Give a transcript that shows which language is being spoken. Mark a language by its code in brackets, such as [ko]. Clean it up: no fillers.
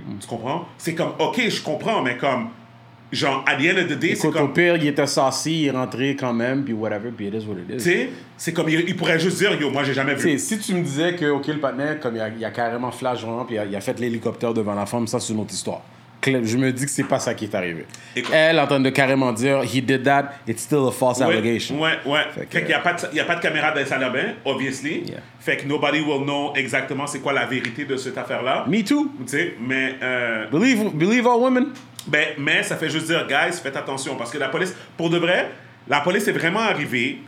[fr] Mm-hmm. Tu comprends? C'est comme, ok, je comprends, mais comme, genre, à [en] the end of the day, [fr] c'est comme. Au pire, il était sassy, il est rentré quand même, puis whatever, puis [en] it is what it is. [fr] Tu sais, c'est comme, il pourrait juste dire, yo, moi, j'ai jamais vu. T'sais, si tu me disais que, ok, le partner, comme, il a carrément flash vraiment, puis il a fait l'hélicoptère devant la femme, ça, c'est une autre histoire. Je me dis que c'est pas ça qui est arrivé. Écoute. Elle en train de carrément dire [en] he did that, it's still a false allegation. [fr] Ouais, ouais. Fait qu'il y a pas de caméra dans les salles de bain, obviously. Yeah. Fait que [en] nobody will know [fr] exactement c'est quoi la vérité de cette affaire-là. [en] Me too. [fr] Tu sais, mais [en] believe all women. [fr] Mais ça fait juste dire guys, faites attention parce que la police, pour de vrai, la police est vraiment arrivée.